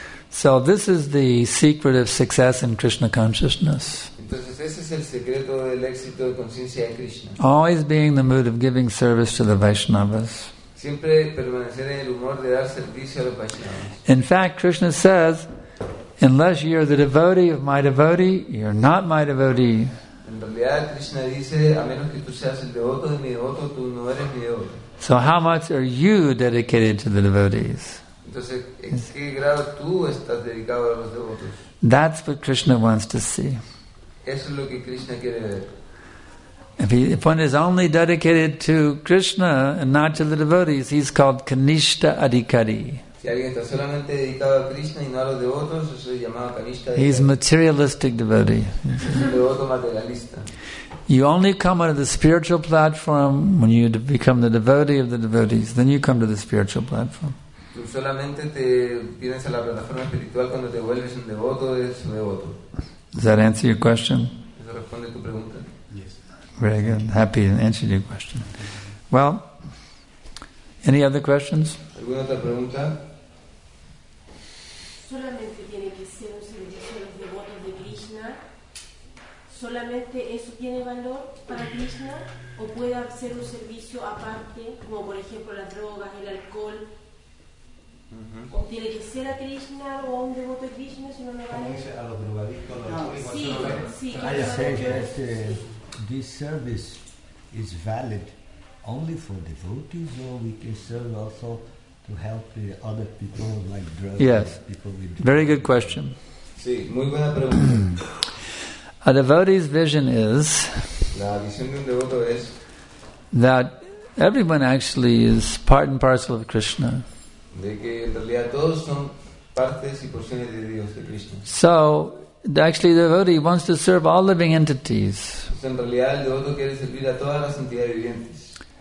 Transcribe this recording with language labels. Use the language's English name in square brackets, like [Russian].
[English] So this is the secret of success in Krishna consciousness. [Spanish] Entonces, ese es el secreto del éxito de conciencia de Krishna. [English] Always being in the mood of giving service to the Vaishnavas. [Spanish] Siempre permanecer en el humor de dar servicio a los Vaishnavas. [English] In fact, Krishna says, unless you're the devotee of my devotee, you're not my devotee. [Spanish] En realidad, Krishna dice, a menos que tú seas el devoto de mi devoto, tú no eres mi devoto. [English] So how much are you dedicated to the devotees? [Spanish] Entonces, ¿en qué grado tú estás dedicado a los devotos? [English] That's what Krishna wants to see. [Spanish] Eso es lo que Krishna quiere ver. [English] If one is only dedicated to Krishna and not to the devotees, he's called Kanishta Adhikari. [Spanish] Si alguien está solamente dedicado a Krishna y no a los devotos, eso es llamado Kanishta [English] Adhikari. He's a materialistic devotee. [Spanish] Es un devoto materialista. [English] You only come onto the spiritual platform when you become the devotee of the devotees. Then you come to the spiritual platform. [Spanish] Tú solamente te vienes a la plataforma espiritual cuando te vuelves un devoto de su devoto. [English] Does that answer your question? [Spanish] ¿Eso responde tu pregunta? [English] Yes. Very good. Happy to answer your question. Well, any other questions? [Spanish] ¿Alguna otra pregunta? Solamente tiene que ser un servicio a los devotos de Krishna. ¿Solamente eso tiene valor para Krishna? ¿O puede hacer un servicio aparte, como por ejemplo las drogas, el alcohol? ¿O tiene que ser a Krishna o a un devoto de Krishna si no me vale? ¿A los drogadictos? Sí, sí. [English] I say that this service is valid only for devotees, or we can serve also to help the other people like drugs. Yes, very good question. [Spanish] Sí, muy buena pregunta. [English] A devotee's vision is [Spanish] la visión de un devoto es [English] that everyone actually is part and parcel of Krishna. [Spanish] De que en realidad todos son partes y porciones de Dios, de Krishna. [English] So, actually the devotee wants to serve all living entities. [Spanish] En realidad el devoto quiere servir a todas las entidades vivientes.